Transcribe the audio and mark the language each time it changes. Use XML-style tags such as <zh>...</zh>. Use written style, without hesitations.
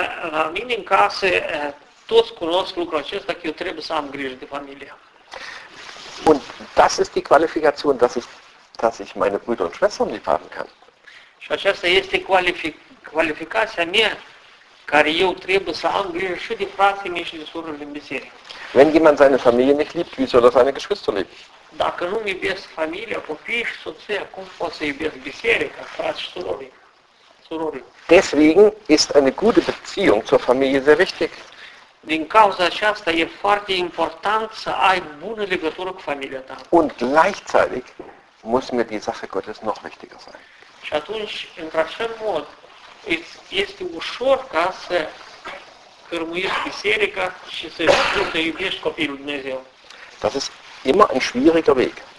<ro>La mine în casă toți cunosc lucrul acesta că eu trebuie să am grijă de familie.</ro> <de>Und das ist die Qualifikation, dass ich meine Brüder und Schwestern lieb haben kann.</de> <ro>Și aceasta este calificația mea care eu trebuie să am grijă și de frații mei și de surorile în biserică.</ro> <de>Wenn jemand seine Familie nicht liebt, wie soll er seine Geschwister lieben?</de> <ro>Dacă nu-mi iubesc familia, copiii și soția, cum pot să iubesc biserica, frați și surori?</ro> <de>Deswegen ist eine gute Beziehung zur Familie sehr wichtig.</de> <ro>Din cauza aceasta e foarte important să ai bună legătură cu familia ta.</ro> <de>Und gleichzeitig muss mir die Sache Gottes noch wichtiger sein.</de> <ro>Și atunci, într-așa mod, если у Шорка с Кермуирский Серика, что и без копии Людмезел.</ro> <de>Das ist immer ein schwieriger Weg.</de>